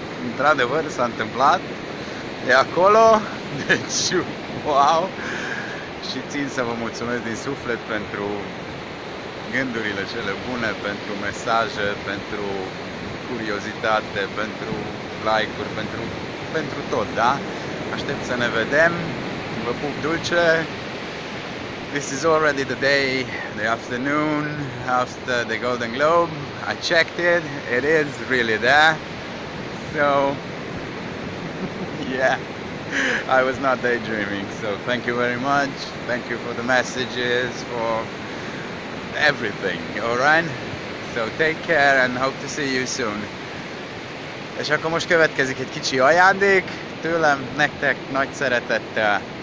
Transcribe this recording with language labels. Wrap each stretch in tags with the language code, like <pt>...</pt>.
<ro>Într-adevăr, s-a întâmplat. E acolo, deci, wow! Și țin să vă mulțumesc din suflet pentru gândurile cele bune, pentru mesaje, pentru curiozitate, pentru like-uri, pentru tot, da? Aștept să ne vedem. Vă pup dulce.</ro> <en>This is already the day, the afternoon, after the Golden Globe. I checked it. It is really there. So, yeah, I was not daydreaming. So, thank you very much. Thank you for the messages, for everything, alright? So take care and hope to see you soon.</en> <hu>És akkor most következik egy kicsi ajándék tőlem, nektek nagy szeretettel.</hu>